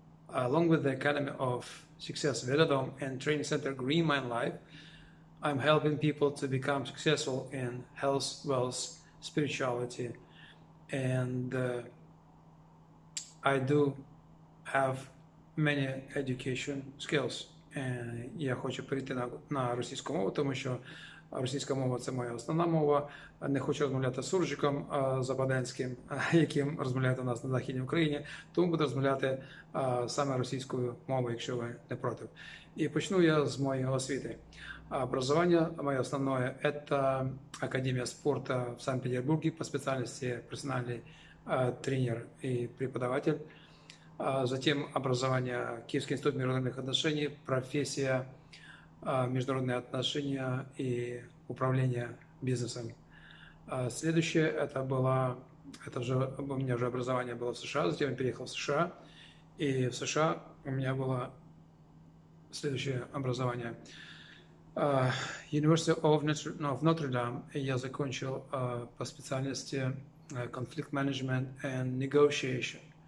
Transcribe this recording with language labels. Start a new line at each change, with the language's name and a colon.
English: Along with the Academy of Success Velodrom and Training Center Green Mind Life, I'm helping people to become successful in health, wealth, spirituality. And I do have many education skills.
Ukrainian: Я хочу перейти на російську мову, тому що російська мова – це моя основна мова. Не хочу розмовляти з суржиком западенським, яким розмовляють у нас на Західній Україні. Тому буду розмовляти саме російською мовою, якщо ви не проти. І почну я з моєї освіти. Образування моє основне – це Академія спорту в Санкт-Петербурзі по спеціальності персональний тренер і преподаватель.
Russian: Затем образование Киевский институт международных отношений, профессия международные отношения и управление бизнесом. Следующее у меня уже образование было в США, затем я переехал в США, и в США у меня было следующее образование. University of Notre Dame, я закончил по специальности conflict management and negotiation.